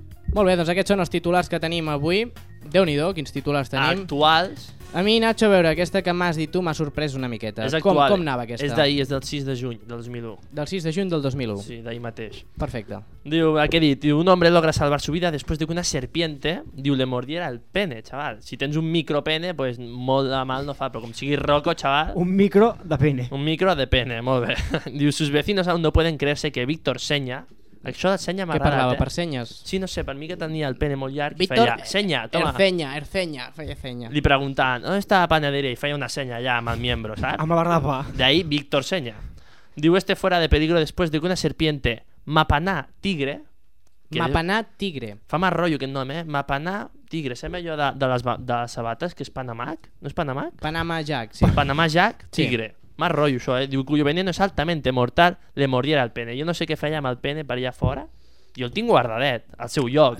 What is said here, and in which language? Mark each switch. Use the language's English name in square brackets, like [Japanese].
[Catalan] Molt bé, doncs aquests són els titulars que tenim avui. Déu-n'hi-do, quins titulars tenim. Actuals. A mi, Nacho, a veure, aquesta que m'has dit tu m'ha sorprès una miqueta. És actual. Com anava aquesta? És d'ahir, és del 6 de juny del 2001. Del 6 de juny del 2001. Sí, d'ahir mateix. Perfecte. Diu, a què dit? [Spanish] Diu, un hombre logra salvar su vida después de que una serpiente, diu, le mordiera el pene, chaval. [Catalan] Si tens un micro pene, pues molt de mal no fa, però com sigui Rocco, chaval. Un micro de pene. Un micro de pene, molt bé. [Spanish] Diu, sus vecinos aún no pueden creerse que Víctor Seña... [Catalan] Això de senya m'agrada. Què parlava, per senyes? Sí, no sé, per mi que tenia el pene molt llarg. Víctor, feia senya, toma. Erceña, feia senya. Li preguntant, on està la panadera? I feia una senya allà amb el miembro, saps? Amb la barrapa. D'ahí, Víctor Seña. [Spanish] Diu, este fuera de peligro después de que una serpiente mapanà tigre... [Catalan] Mapanà tigre. Fa més rotllo aquest nom, eh? Mapanà tigre. Sembla allò de les sabates, que és Panamac? No és Panamac? Panamà Jack, sí. [Spanish] Panamà Jack, tigre. Sí. Más rollo eso, ¿eh? Digo, cuyo veneno es altamente mortal, le mordiera el pene. Yo no sé qué [Catalan] feia amb el pene per allà fora. Jo el tinc guardadet, al seu lloc,